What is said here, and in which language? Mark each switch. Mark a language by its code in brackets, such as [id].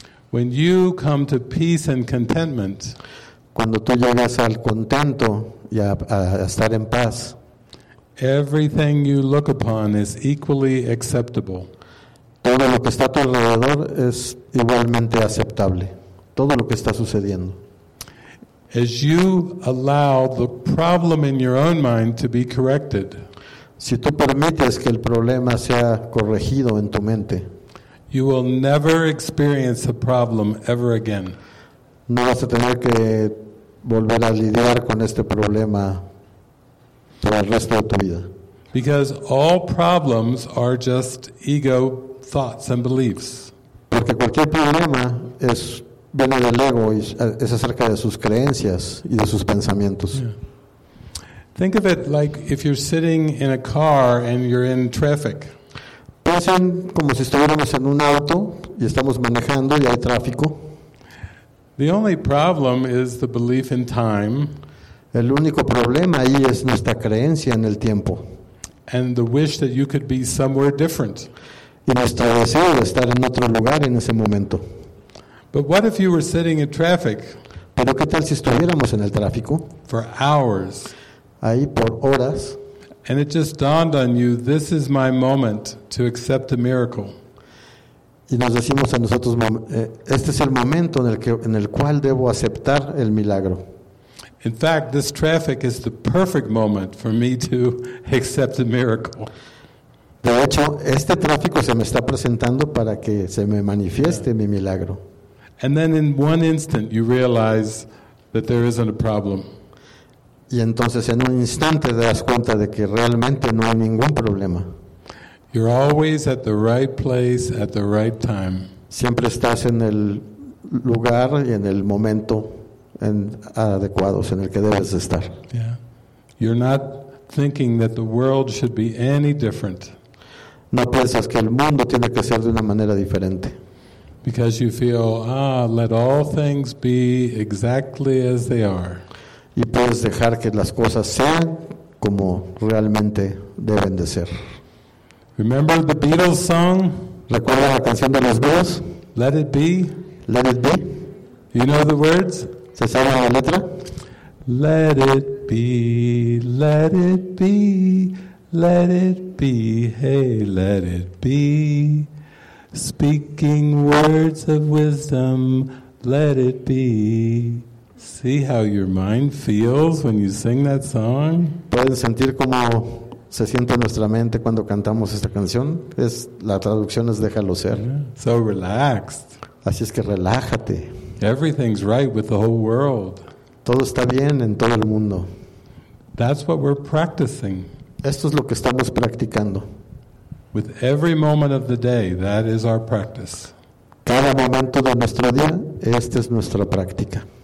[en] When you come to peace and contentment, [es] cuando tú llegas al contento y a estar en paz, [en] everything you look upon is equally acceptable. [es] Todo lo que está a tu alrededor es igualmente aceptable. Todo lo que está sucediendo. [en] As you allow the problem in your own mind to be corrected, [es] si tú permites que el problema sea corregido en tu mente, [en] you will never experience a problem ever again. [es] No vas a tener que volver a lidiar con este problema por el resto de tu vida. [en] Because all problems are just ego thoughts and beliefs. [es] Porque cualquier problema es viene del ego y es acerca de sus creencias y de sus pensamientos. [en] Think of it like if you're sitting in a car and you're in traffic. [es] Piensen como si estuviéramos en un auto y estamos manejando y hay tráfico. [en] The only problem is the belief in time. [es] El único problema ahí es nuestra creencia en el tiempo. [en] And the wish that you could be somewhere different. [es] Y nuestro deseo de estar en otro lugar en ese momento. [en] But what if you were sitting in traffic? [es] ¿Pero qué tal si estuviéramos en el tráfico? [en] For hours. [es] Ahí por horas. [en] And it just dawned on you, this is my moment to accept a miracle. [es] Y nos decimos a nosotros, este es el momento en el cual debo aceptar el milagro. [en] In fact, this traffic is the perfect moment for me to accept a miracle. [es] De hecho, este tráfico se me está presentando para que se me manifieste mi milagro. [en] And then in one instant you realize that there isn't a problem. [es] Y entonces en un instante te das cuenta de que realmente no hay ningún problema. [en] You're always at the right place at the right time. [es] Siempre estás en el lugar y en el momento adecuados en el que debes estar. Yeah. [en] You're not thinking that the world should be any different. [es] No piensas que el mundo tiene que ser de una manera diferente. [en] Because you feel, let all things be exactly as they are. [es] Y puedes dejar que las cosas sean como realmente deben de ser. [en] Remember the Beatles song? [es] ¿Recuerdas la canción de los Beatles? [en] Let it be. Let it be. You know the words? [es] ¿Se sabe la letra? [en] Let it be, let it be, let it be, hey, let it be. Speaking words of wisdom, let it be. See how your mind feels when you sing that song? [es] ¿Puedes sentir cómo se siente nuestra mente cuando cantamos esta canción? La traducción es déjalo ser. [en] So relaxed. [es] Así es que relájate. [en] Everything's right with the whole world. [es] Todo está bien en todo el mundo. [en] That's what we're practicing. [es] Esto es lo que estamos practicando. [en] With every moment of the day, that is our practice. [es] Cada momento de nuestro día, esta es nuestra práctica.